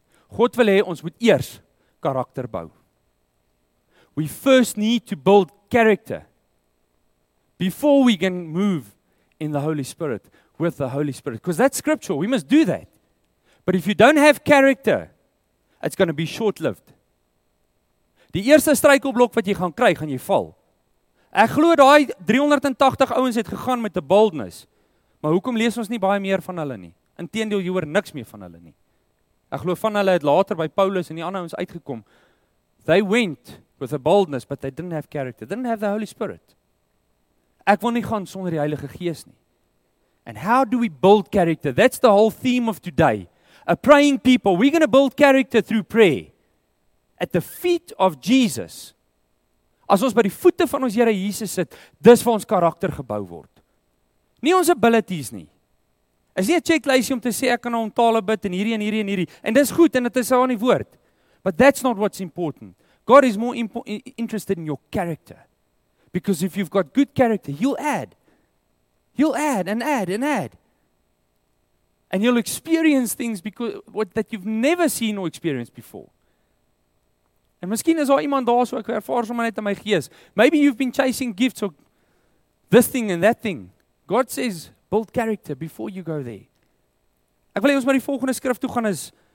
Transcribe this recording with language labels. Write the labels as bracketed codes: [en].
[af] God wil hê ons moet eers karakter bou. [en] We first need to build character before we can move in the Holy Spirit. With the Holy Spirit. Because that's scriptural. We must do that. But if you don't have character, it's going to be short-lived. [af] Die eerste struikelblok wat jy gaan kry, gaan jy val. Ek glo daai 380 ouens het gegaan met 'n boldness. Maar hoekom lees ons nie baie meer van hulle nie? Inteendeel, jy hoor niks meer van hulle nie. Ek glo van hulle het later by Paulus en die ander ouens uitgekom. [en] They went with a boldness, but they didn't have character. They didn't have the Holy Spirit. [af] Ek wil nie gaan sonder die Heilige Gees nie. [en] And how do we build character? That's the whole theme of today. A praying people. We're going to build character through prayer. At the feet of Jesus. [af] As ons by die voete van ons Here Jesus sit, dis waar ons karakter gebou word. Nie ons abilities nie. Is nie 'n checklistie om te sê ek kan nou 'n taal bid en hierdie en hierdie en hierdie. En dis goed en dit is aan die woord. [en] But that's not what's important. God is more interested in your character. Because if you've got good character, he'll add. You'll add and add and add. And you'll experience things that you've never seen or experienced before. [af] En miskien is daar iemand daar so, ek ervaar sommer net in my gees. [en] Maybe you've been chasing gifts or this thing and that thing. God says, build character before you go there. [af] Ek wil hê ons moet die volgende skrif toe gaan is.